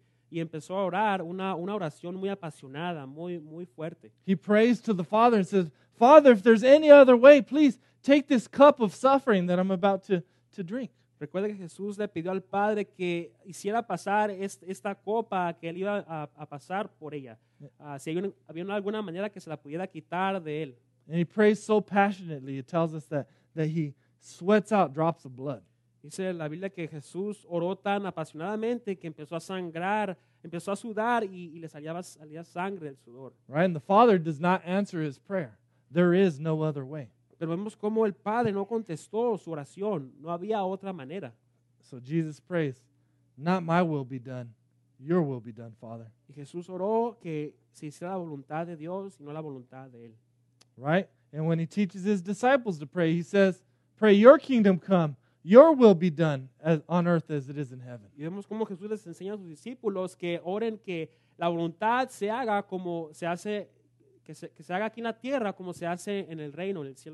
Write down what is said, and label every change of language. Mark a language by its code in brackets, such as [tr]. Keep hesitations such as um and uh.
[es] y empezó a orar una, una oración muy apasionada, muy muy fuerte. [en] He prays to the Father and says, "Father, if there's any other way, please take this cup of suffering that I'm about to to drink." [es] Recuerda que Jesús le pidió al Padre que hiciera pasar esta, copa que él iba a, a pasar por ella. Uh, si una, había, había alguna manera que se la pudiera quitar de él. [en] And he prays so passionately, he tells us that that he sweats out drops of blood. [es] La Biblia que Jesús oró tan apasionadamente que empezó a sangrar, empezó a sudar y, y le salía, sangre del sudor. [en] Right? And the Father does not answer his prayer. There is no other way. [es] Pero vemos cómo el Padre no contestó su oración. No había otra manera. [en] So Jesus prays, not my will be done, your will be done, Father. [es] Y Jesús oró que si se hiciera la voluntad de Dios no la voluntad de él. Right? [en] And when he teaches his disciples to pray, he says, pray your kingdom come. Your will be done as, on earth as it is in heaven. Que [es] que hace, que se, se reino,